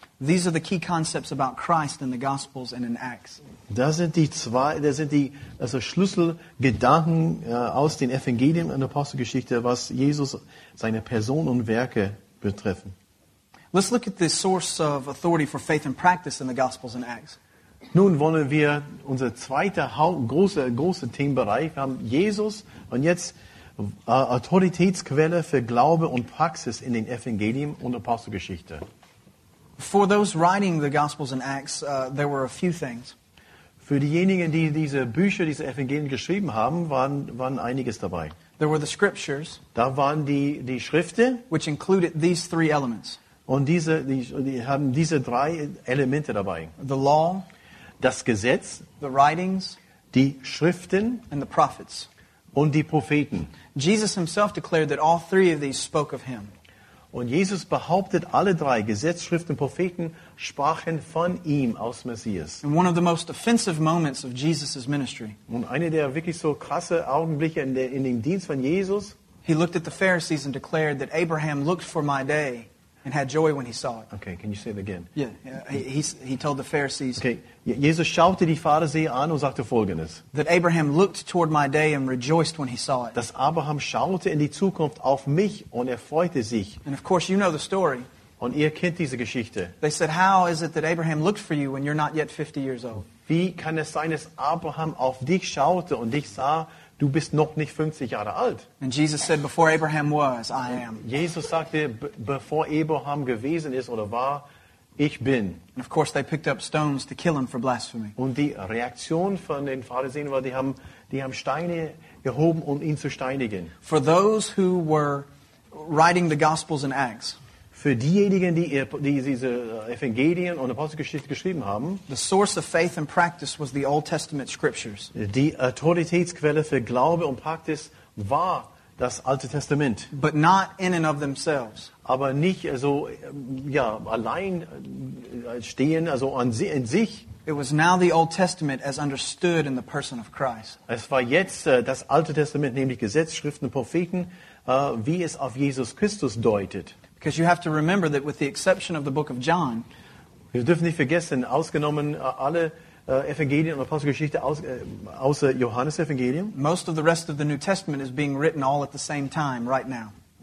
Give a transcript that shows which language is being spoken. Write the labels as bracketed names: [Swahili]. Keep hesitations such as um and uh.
[English] These are the key concepts about Christ in the Gospels and in Acts. [German] Das sind die zwei, das sind die also Schlüsselgedanken aus den Evangelien und Apostelgeschichte, was Jesus seine Person und Werke betreffen. [English] Let's look at the source of authority for faith and practice in the Gospels and Acts. [German] Nun wollen wir unser zweiter großer große Themenbereich haben Jesus und jetzt Autoritätsquelle für Glaube und Praxis in den Evangelien und Apostelgeschichte. [English] For those writing the Gospels and Acts, uh, there were a few things. [German] Für diejenigen, die diese Bücher, diese Evangelien geschrieben haben, waren, waren einiges dabei. [English] There were the scriptures, [German] da waren die, die Schriften, [English] which included these three elements. [German] Und diese, die, die haben diese drei Elemente dabei. [English] The law, [German] das Gesetz, the writings, die Schriften, and the prophets. und die Propheten. [English] Jesus himself declared that all three of these spoke of him. [German] Und Jesus behauptet, alle drei Gesetzschriften und Propheten sprachen von ihm aus Messias. [English] And one of the most offensive moments of Jesus's ministry. [German] Und eine der wirklich so krasse Augenblicke in, der, in dem Dienst von Jesus. [English] He looked at the Pharisees and declared that Abraham looked for my day. and had joy when he saw it. Okay, can you say it again? Yeah, yeah. He, he, he, told the Pharisees. [German] Okay, Jesus schaute die Pharisäer an und sagte folgendes. [English] That Abraham looked toward my day and rejoiced when he saw it. [German] Dass Abraham schaute in die Zukunft auf mich und er freute sich. [English] And of course, you know the story. [German] Und ihr kennt diese Geschichte. [English] They said, how is it that Abraham looked for you when you're not yet 50 years old? [German] Wie kann es sein, dass Abraham auf dich schaute und dich sah, du bist noch nicht 50 Jahre alt. [English] And Jesus said, before Abraham was, I am. [German] Jesus sagte, bevor Abraham gewesen ist oder war, ich bin. [English] And of course, they picked up stones to kill him for blasphemy. [German] Und die Reaktion von den Pharisäern war, die haben, die haben Steine gehoben, um ihn zu steinigen. [English] For those who were writing the Gospels and Acts. [German] für diejenigen, die, diese Evangelien und Apostelgeschichte geschrieben haben. [English] The source of faith and practice was the Old Testament scriptures. [German] Die Autoritätsquelle für Glaube und Praxis war das Alte Testament. [English] But not in and of themselves. [German] Aber nicht also ja allein stehen also an sie in sich. [English] It was now the Old Testament as understood in the person of Christ. [German] Es war jetzt äh, das Alte Testament, nämlich Gesetz, Schriften, Propheten, äh, wie es auf Jesus Christus deutet. [English] Because you have to remember that with the exception of the book of John, uh, alle, uh, aus, äh, Most of the rest of the New Testament is being written all at the same time right now.